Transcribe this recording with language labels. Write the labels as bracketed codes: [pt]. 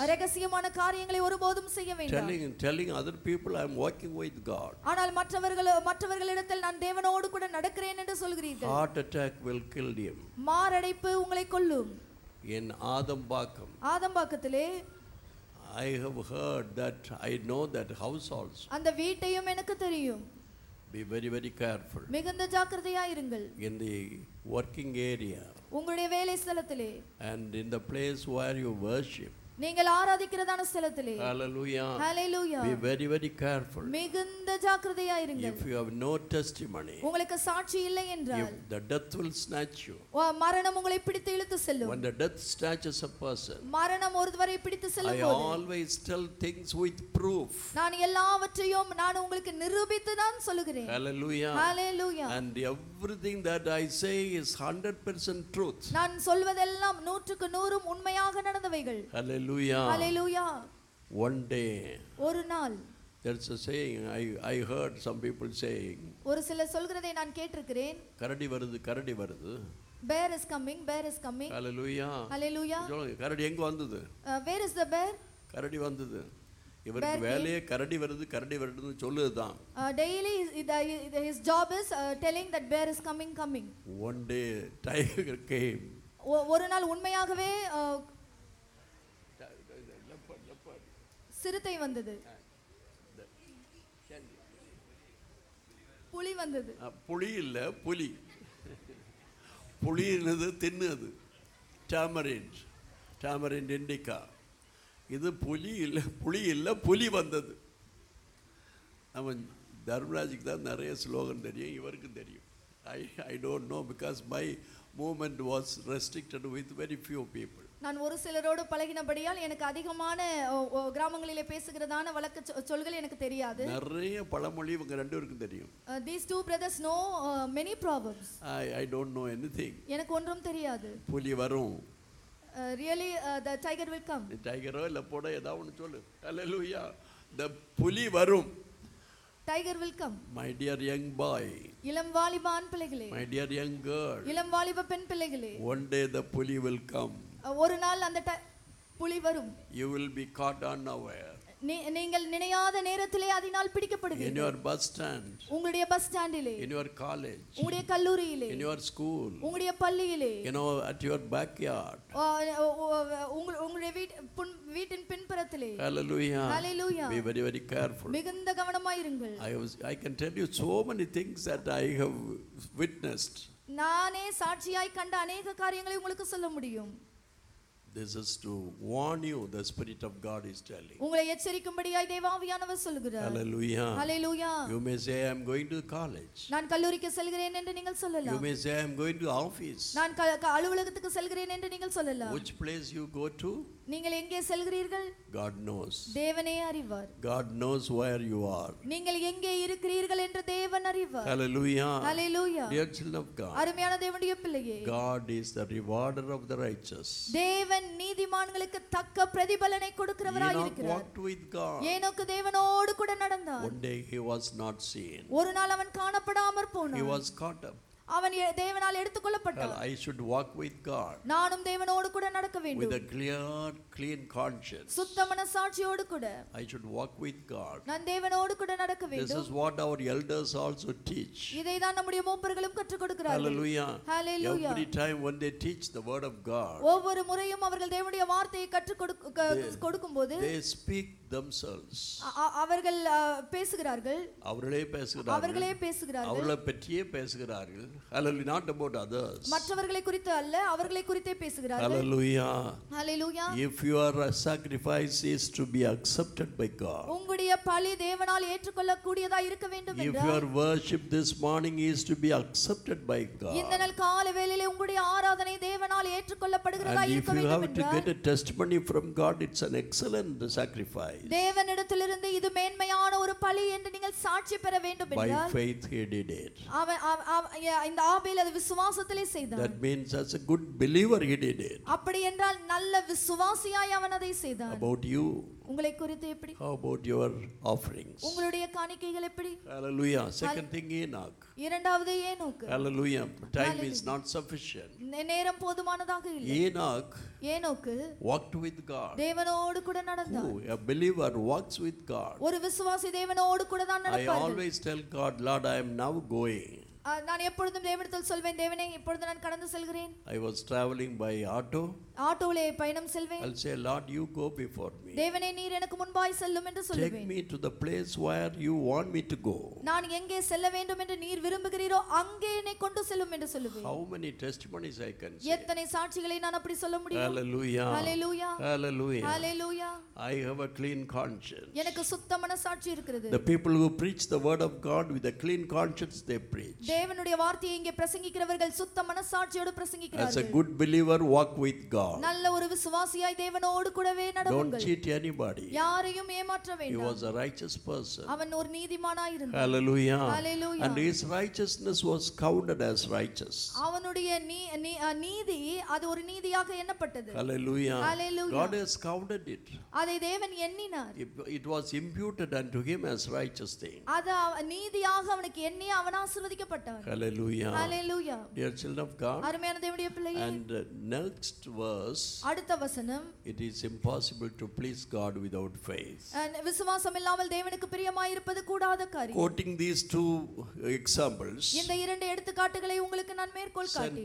[ta] ரகசியமான காரியங்களை ஒருபோதும் செய்ய வேண்டாம். [en] Telling other people I'm walking with God. [ta] ஆனால் மற்றவர்களிடத்தில் நான் தேவனோடு கூட நடக்கிறேன் என்று சொல்கிறீர்கள். [en] Heart attack will kill him. [ta] மாரடைப்பு உங்களை கொல்லும். என் Adambakkam. ஆதம்பாக்கத்திலே [en] I have heard that, I know that house also. [ta] அந்த வீட்டையும் எனக்கு தெரியும். [en] Be very very careful. [ta] மிகுந்த ஜாக்கிரதையா இருங்கள். [en] In the working area. [ta] உங்களுடைய வேலை ஸ்தலத்திலே. [en] And in the place where you worship. [ta] நீங்கள் ஆராதிக்கிறதான ஸ்தலத்திலே. Hallelujah. Hallelujah. [en] Be very very careful. [ta] மிகுந்த ஜாக்கிரதையா இருங்கள். [en] If you have no testimony. [ta] உங்களுக்கு சாட்சி இல்லை என்றால். [en] If the death will snatch you. [ta] வா மரணம் உங்களை பிடித்து இழுத்து செல்லும். [en] When the death snatches a person. [ta] மரணம் ஒருவரை பிடித்து செல்லும் போது. [en] I always tell things with proof. [ta] நான் எல்லாவற்றையும் நான் உங்களுக்கு நிரூபித்து தான் சொல்கிறேன். Hallelujah. Hallelujah. [en] And everything that I say is 100% truth. [ta] நான் சொல்வதெல்லாம் நூற்றுக்கு நூறும் உண்மையாக நடந்தவைகள். Hallelujah. Hallelujah. [en] One day. [ta] ஒரு நாள். [en] There's a saying I heard some people saying. [ta] ஒரு சில சொல்றதை நான் கேட்டிருக்கிறேன். கரடி வருது கரடி வருது. [en] Bear is coming, bear is coming. Hallelujah. Hallelujah. [ta] கரடி எங்க வந்தது? [en] Where is the bear? [ta] கரடி வந்தது. இவருக்கு வேலையே கரடி வருது கரடி வருதுன்னு சொல்லுதான். [en] Daily his job is telling that bear is coming, coming. One day tiger came. [ta] ஒரு நாள் உண்மையாகவே சிறுத்தை வந்தது. புலி வந்தது. புலி இல்ல புலி. புலி என்னது? தின்னது. Tamarind, tamarind Indica. இது புலி இல்ல புலி இல்ல புலி வந்தது. அவன் தர்மராஜுக்கு தான் நிறைய ஸ்லோகன் தெரியும், இவருக்கும் தெரியும். [en] I don't know because my moment was restricted with very few people. [ta] நான் ஒரு சிலரோடு பழகினபடியால் எனக்கு அதிகமான கிராமங்களிலே பேசுகிறதான வழக்கு சொல்கள் எனக்கு தெரியாது. நிறைய பழமொழி இவங்க ரெண்டு பேருக்கும் தெரியும். [en] These two brothers know many proverbs. I don't know anything. [ta] எனக்கு ஒன்றும் தெரியாது. புலி வரும். [en] Really the tiger will come. [ta] டைகரோ இல்ல போடா ஏதோ ஒன்னு சொல்லு. Hallelujah. The புலி வரும். [en] Tiger will come. My dear young boy. [ta] இளம் வாலிபான் பிள்ளைகளே. [en] My dear young girl. [ta] இளம் வாலிப பெண் பிள்ளைகளே. [en] One day the puli will come. [ta] ஒரு நாள் அந்த புலி வரும். [en] You will be caught unaware. [ta] நீங்கள் நினையாத நேரத்திலே அதனால் பிடிக்கப்படுவீர்கள். [en] In your bus stand. [ta] உங்களுடைய பஸ் ஸ்டாண்டிலே. [en] In your college. [ta] உங்களுடைய கல்லூரியிலே. [en] In your school. [ta] உங்களுடைய பள்ளியிலே. [en] You know at your backyard. [ta] உங்களுடைய வீட்டின் பின்புறத்திலே. Hallelujah. Hallelujah. [en] Be very very careful. [ta] மிகுந்த கவனமாய் இருங்கள். [en] I can tell you so many things that I have witnessed. [ta] நானே சாட்சியாய் கண்ட अनेक காரியங்களை உங்களுக்கு சொல்ல முடியும். [en] This is to warn you, the Spirit of God is telling. [ta] உங்களை எச்சரிக்கும்படியாய் தேவாவியானவர் சொல்கிறார். Hallelujah. Hallelujah. [en] You may say I am going to college. [ta] நான் கல்லூரிக்கு செல்கிறேன் என்று நீங்கள் சொல்லலாம். [en] You may say I am going to office. [ta] நான் அலுவலகத்துக்கு செல்கிறேன் என்று நீங்கள் சொல்லலாம். [en] Which place you go to? [ta] நீங்கள் எங்கே செல்கிறீர்கள்? [en] God knows. [ta] தேவனே அறிவார். [en] God knows where you are. [ta] நீங்கள் எங்கே இருக்கிறீர்கள் என்று தேவன் அறிவார். Hallelujah. Hallelujah. [en] Dear children of God. [ta] அருமையான தேவனுடைய பிள்ளையே. [en] God is the rewarder of the righteous. [ta] தேவன் நீதிமான்களுக்கு தக்க பிரதிபலனை கொடுக்கிறவராய் இருக்கிறார். [en] He walked with God. [ta] ஏனோக்கு தேவனோடு கூட நடந்தார். [en] One day he was not seen. [ta] ஒரு நாள் அவன் காணப்படாமற் போனான். [en] He was caught up. [ta] அவன் தேவனால் எடுத்துக் கொள்ளப்பட்டான். [en] I should walk with God. [ta] நானும் தேவனோடு கூட நடக்க வேண்டும். [en] With a clear, clean conscience. [ta] சுத்த மனசாட்சியோடு கூட. [en] I should walk with God. [ta] நான் தேவனோடு கூட நடக்க வேண்டும். [en] This is what our elders also teach. [ta] இதை தான் நம்முடைய மூப்பர்களும் கற்றுக் கொடுக்கிறார்கள். Hallelujah. Hallelujah. [en] Every time when they teach the word of God. [ta] ஒவ்வொரு முறையும் அவர்கள் தேவனுடைய வார்த்தையை கற்றுக் கொடுக்கும்போது [en] they speak themselves. [ta] அவர்கள் பேசுகிறார்கள். அவர்களே பேசுகிறார்கள். அவர்களே பேசுகிறார்கள். அவர்களை பற்றியே பேசுகிறார்கள். [en] Hallelujah, not about others. [ta] மற்றவர்களை குறித்து அல்ல, அவர்களை குறித்தே பேசுகிறார்கள். Hallelujah. Hallelujah. [en] If your sacrifice is to be accepted by God. [ta] உங்களுடைய பலி தேவனால் ஏற்றுக்கொள்ளக்கூடியதாக இருக்க வேண்டும் என்றால். [en] If your worship this morning is to be accepted by God. [ta] இந்த நாள் காலை வேளையிலே உங்களுடைய ஆராதனை தேவனால் ஏற்றுக்கொள்ளப்படுகிறதாக இருக்க வேண்டும் என்றால். [en] And if you have to get a testimony from God, it's an excellent sacrifice. [ta] தேவனிடத்திலிருந்து இது மேன்மையான ஒரு பலி என்று நீங்கள் சாட்சி பெற வேண்டும் என்றால். [en] By faith he did it. [ta] இந்த ஆபேல் அது விசுவாசத்திலே செய்தார். [en] That means as a good believer he did it. [ta] அப்படி என்றால் நல்ல விசுவாசியாய் அவன் அதை செய்தார். [en] About you. [ta] உங்களை குறித்து எப்படி? [en] How about your offerings? [ta] உங்களுடைய காணிக்கைகள் எப்படி? [en] Hallelujah. Second thing Enoch. [ta] இரண்டாவது Enoch. [en] Hallelujah. Time is not sufficient. [ta] நேரம் போதுமானதாக இல்லை. ஏனோக். ஏனோக்கு [en] walked with God. [ta] தேவனோடு கூட நடந்தார். [en] A believer walks with God. [ta] ஒரு விசுவாசி தேவனோடு கூட தான் நடப்பார். [en] I always tell God, Lord, I am now going. [ta] நான் எப்பொழுதும் தேவனிடத்தில் சொல்வேன், தேவனே இப்பொழுது நான் கடந்து செல்கிறேன். [en] I was traveling by auto. [ta] ஆட்டோவிலே பயணம் செல்வேன். [en] I'll say, Lord, you go before me. [ta] தேவனே நீர் எனக்கு முன்பாய் செல்லும் என்று சொல்லுவேன். [en] Take me to the place where you want me to go. [ta] நான் எங்கே செல்ல வேண்டும் என்று நீர் விரும்புகிறீரோ அங்கே என்னை கொண்டு செல்லும் என்று சொல்லுவேன். [en] How many testimonies I can say? [ta] எத்தனை சாட்சிகளை நான் அப்படி சொல்ல முடியும்? Hallelujah. Hallelujah. Hallelujah. Hallelujah. [en] I have a clean conscience. [ta] எனக்கு சுத்த மனசாட்சி இருக்கிறது. [en] The people who preach the word of God with a clean conscience they preach. [ta] தேவனுடைய வார்த்தையை இங்கே பிரசங்கிக்கிறவர்கள் சுத்த மனசாட்சியோடு பிரசங்கிக்கிறார்கள். [en] As a good believer walk with God. [ta] நல்ல ஒரு விசுவாசியாய் தேவனோடு கூடவே நடந்துங்கள். [en] Don't cheat anybody. [ta] யாரையும் ஏமாற்ற வேண்டாம். [en] He was a righteous person. [ta] அவன் ஒரு நீதிமானாய் இருந்தான். Hallelujah. Hallelujah. [en] And his righteousness was counted as righteous. [ta] அவனுடைய நீதி அது ஒரு நீதியாக எண்ணப்பட்டது. Hallelujah. Hallelujah. [en] God has counted it. [ta] அதை தேவன் எண்ணினார். [en] It was imputed unto him as righteous thing. [ta] அது நீதியாக அவனுக்கு எண்ணி அவன் ஆசீர்வதிக்கப்பட்டான். Hallelujah. Hallelujah. [en] Dear children of God. [ta] அருமையான தேவனுடைய பிள்ளையே. [en] And next verse. [ta] அடுத்த வசனம். [en] It is impossible to please God without faith. [ta] And விசுவாசம் இல்லாமல் தேவனுக்கு பிரியமாய் இருப்பது கூடாத காரியம். [en] Quoting these two examples. [ta] இந்த இரண்டு எடுத்துக்காட்டுகளை உங்களுக்கு நான் மேற்கோள் காட்டி.